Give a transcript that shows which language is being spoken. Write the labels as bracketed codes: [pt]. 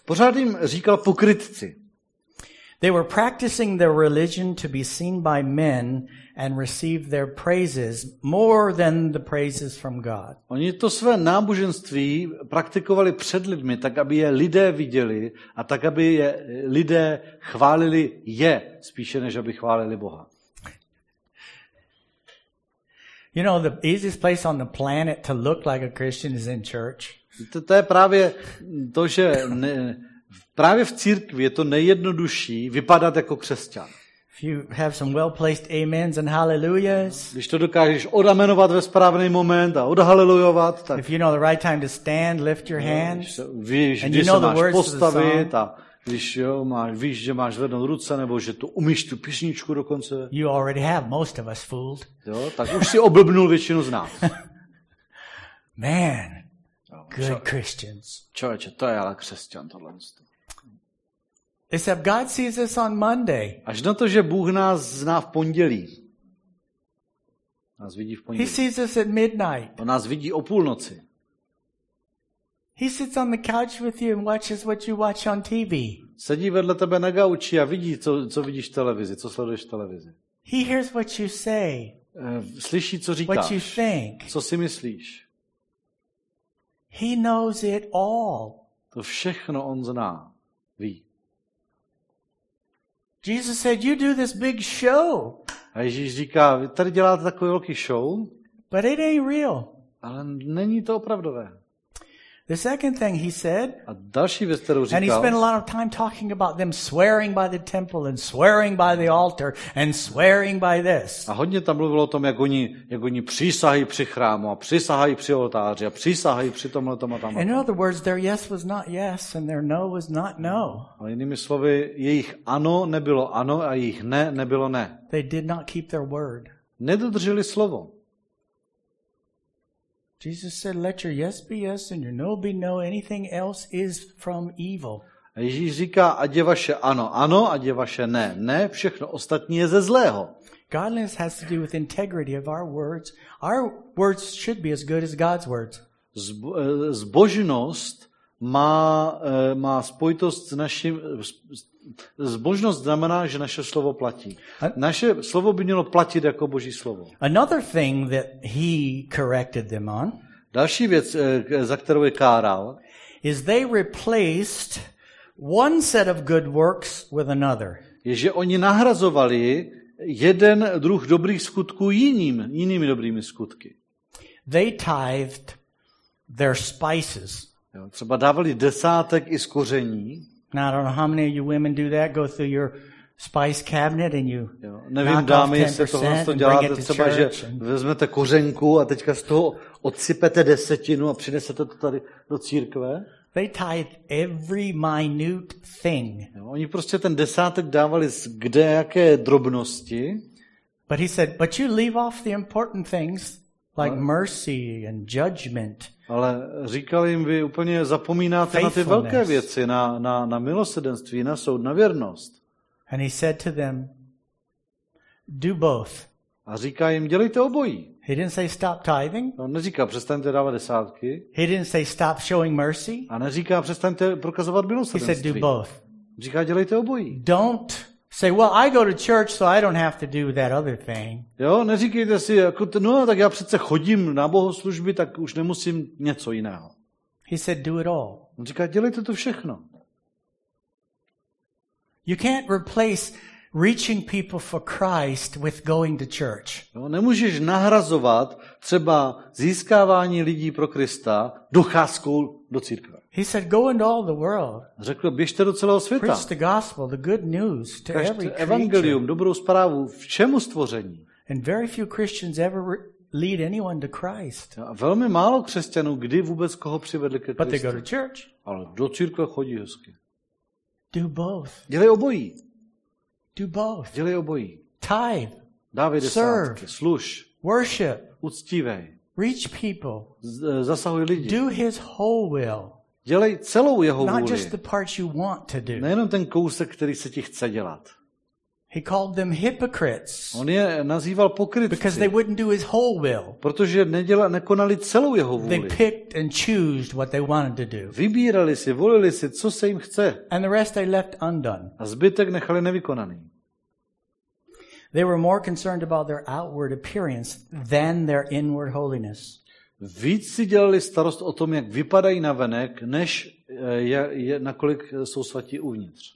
[cs] Pořád jim říkal pokrytci. [en] They were practicing their religion to be seen by men and receive their praises more than the praises from God. [cs] Oni to své náboženství praktikovali před lidmi, tak aby je lidé viděli a tak aby je lidé chválili je spíše než aby chválili Boha. [en] You know, the easiest place on the planet to look like a Christian is in church. [cs] To je právě to, že právě v církvi je to nejjednodušší vypadat jako křesťan. [en] If you have some well-placed amens and hallelujahs. [cs] Když to dokážeš odamenovat ve správný moment a odhalelujovat, tak [en] if you know the right time to stand, lift your hands. [cs] Víš, když se máš postavit a Když jo, víš, že máš zvednout ruce nebo že to umíš tu písničku dokonce. [en] You already have most of us fooled. [cs] Jo, tak už si oblbnul většinu z nás. [en] Man, good Christians. [cs] Člověče, to je ale křesťan tohle. [en] Except God sees us on Monday. [cs] Až na to, že Bůh nás zná v pondělí. Nás vidí v pondělí. [en] He sees us at midnight. [cs] On nás vidí o půlnoci. [en] He sits on the couch with you and watches what you watch on TV. [cs] Sedí vedle tebe na gauči a vidí, co vidíš v televizi, co sleduješ v televizi. [en] He hears what you say. [cs] Slyší, co říkáš. [en] What you think. [cs] Co si myslíš. [en] He knows it all. [cs] To všechno on zná, ví. [en] Jesus said, "You do this big show." [cs] A Ježíš říká, vy tady děláte takový velký show. [en] But it ain't real. [cs] Ale není to opravdové. [en] The second thing he said. [cs] A další věc, kterou říkal. [en] And he spent a lot of time talking about them swearing by the temple and swearing by the altar and swearing by this. [cs] A hodně tam mluvil o tom, jak oni přísahají při chrámu a přísahají při oltáři a přísahají při tomhle tom a tam. [en] In other words, their yes was not yes and their no was not no. [cs] A jinými slovy, jejich ano nebylo ano a jejich ne nebylo ne. [en] They did not keep their word. [cs] Nedodrželi slovo. [en] Jesus said, "Let your yes be yes and your no be no. Anything else is from evil." [cs] A Ježíš říká, ať je vaše ano, ano, ať je vaše ne, ne. Všechno ostatní je ze zlého. [en] Godliness has to do with integrity of our words. Our words should be as good as God's words. [cs] Zbožnost má spojitost s naším. Zbožnost znamená, že naše slovo platí. Naše slovo by mělo platit jako Boží slovo. [en] Another thing that he corrected them on. [cs] Další věc, za kterou je káral, [en] is they replaced one set of good works with another. [cs] Je, že oni nahrazovali jeden druh dobrých skutků jinými dobrými skutky. [en] They tithed their spices. [cs] Jo, třeba dávali desátek i z koření. [en] Now, I don't know how many of you women do that. Go through your spice cabinet and you [cs] jo, nevím, [en] knock [cs] dámy, [en] off 10% and bring it to [cs] třeba, [en] church. [cs] Že vezmete kořenku a teďka z toho odsypete desetinu a přinesete to tady do církve. [en] They tithe every minute thing. [cs] Jo, oni prostě ten desátek dávali z kde jaké drobnosti. [en] But he said, but you leave off the important things like mercy and judgment. [cs] Ale říkal jim, vy úplně zapomínáte na ty velké věci, na milosrdenství, na soud, na věrnost. [en] And he said to them, do both. [cs] A říká jim, dělejte obojí. [en] He didn't say stop tithing. [cs] On neříká, přestaňte dávat desátky. [en] He didn't say stop showing mercy. [cs] A neříká, přestaňte prokazovat milosrdenství. [en] He said do both. [cs] Říká, dělejte obojí. [en] Don't say, well, I go to church, so I don't have to do that other thing. [cs] Jo, neříkejte si, no, tak já přece chodím na bohoslužby, tak už nemusím něco jiného. [en] He said, do it all. [cs] On říká, dělejte to všechno. [en] You can't replace reaching people for Christ with going to church. [cs] Jo, nemůžeš nahrazovat třeba získávání lidí pro Krista docházkou do církve. [en] He said, "Go into all the world." [cs] Řekl, běžte do celého světa. [en] Preach the gospel, the good news to every creature. [cs] Kažte evangelium, dobrou zprávu všemu stvoření. [en] And very few Christians ever lead anyone to Christ. [cs] A velmi málo křesťanů kdy vůbec koho přivedli ke Kristu. [en] But they go to church. [cs] Ale do církve chodí hezky. [en] Do both. [cs] Dělej obojí. [en] Do both. [cs] Dělej obojí. [en] Tithe. [cs] Dávej desátky. [en] Serve. [cs] Služ. [en] Worship. [cs] Uctívej. [en] Reach people. [cs] Zasahuj lidi. [en] Do his whole will. [cs] Dělej celou jeho vůli. [en] Not just the part you want to do. [cs] Nejenom ten kousek, který se ti chce dělat. [en] He called them hypocrites. [cs] On je nazýval pokrytci. [en] Because they wouldn't do his whole will. [cs] Protože nekonali celou jeho vůli. [en] They picked and chose what they wanted to do. [cs] Vybírali si, volili si, co se jim chce. [en] And the rest they left undone. [cs] A zbytek nechali nevykonaný. [en] They were more concerned about their outward appearance than their inward holiness. [cs] Víc si dělali starost o tom, jak vypadají navenek, než nakolik jsou svatí uvnitř.